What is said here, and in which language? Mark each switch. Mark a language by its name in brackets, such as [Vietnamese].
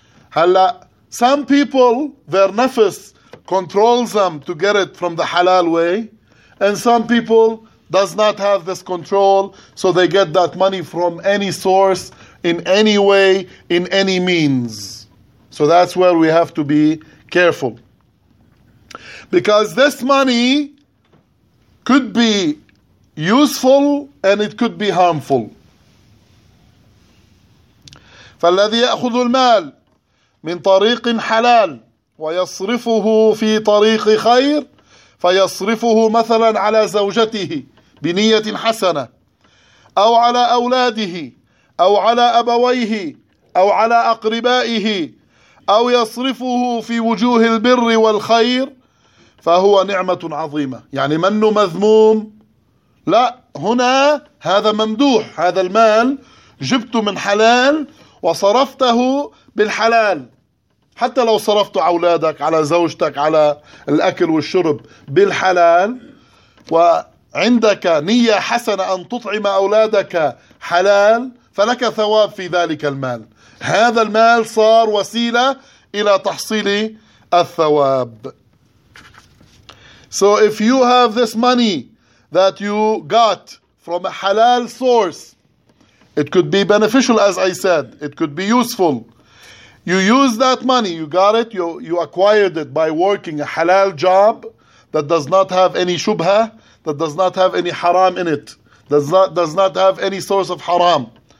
[English] Halla, some people, their nafs controls them to get it from the halal way, and some people does not have this control, so they get that money from any source, in any way, in any means. So that's where we have to be careful. Because this money could be useful and it could be harmful. [Arabic] فَالَّذِي يَأْخُذُ الْمَالِ مِنْ طَرِيقٍ حَلَالٍ وَيَصْرِفُهُ فِي طَرِيقِ خَيْرٍ فَيَصْرِفُهُ مَثَلًا عَلَى زَوْجَتِهِ بنية حسنة أو على أولاده أو على أبويه أو على أقربائه أو يصرفه في وجوه البر والخير فهو نعمة عظيمة. يعني منه مذموم؟ لا، هنا هذا ممدوح، هذا المال جبته من حلال وصرفته بالحلال. حتى لو صرفته على أولادك، على زوجتك، على الأكل والشرب بالحلال، وعندك نية حسنة أن تطعم أولادك حلال، فلك ثواب في ذلك المال. هذا المال صار وسيلة إلى تحصيل الثواب. [English] So if you have this money that you got from a halal source, it could be beneficial, as I said, it could be useful. You use that money, you got it, you acquired it by working a halal job that does not have any shubha, that does not have any haram in it, does not have any source of haram.